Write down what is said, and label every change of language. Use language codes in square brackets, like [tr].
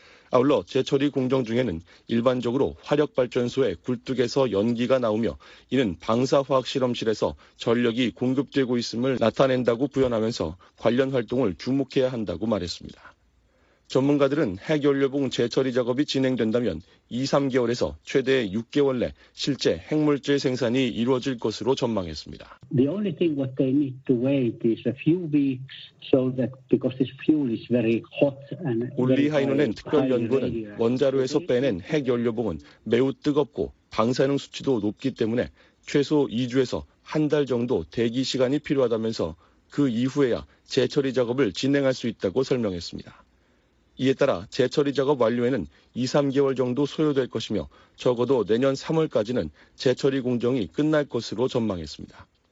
[ko] 아울러 재처리 공정 중에는 일반적으로 화력발전소의 굴뚝에서 연기가 나오며 이는 방사화학 실험실에서 전력이 공급되고 있음을 나타낸다고 부연하면서 관련 활동을 주목해야 한다고 말했습니다. 전문가들은 핵연료봉 재처리 작업이 진행된다면 2, 3개월에서 최대 6개월 내 실제 핵물질 생산이 이루어질 것으로 전망했습니다. [en] The only thing what they need to wait is a few weeks so that because this fuel is very hot and [ko] 올리 하이노넨 특별 연구원은 원자로에서 빼낸 핵연료봉은 매우 뜨겁고 방사능 수치도 높기 때문에 최소 2주에서 한 달 정도 대기 시간이 필요하다면서 그 이후에야 재처리 작업을 진행할 수 있다고 설명했습니다. 이에 따라 재처리 작업 완료에는 2, 3개월 정도 소요될 것이며 적어도 내년 3월까지는 재처리 공정이 끝날 것으로 전망했습니다.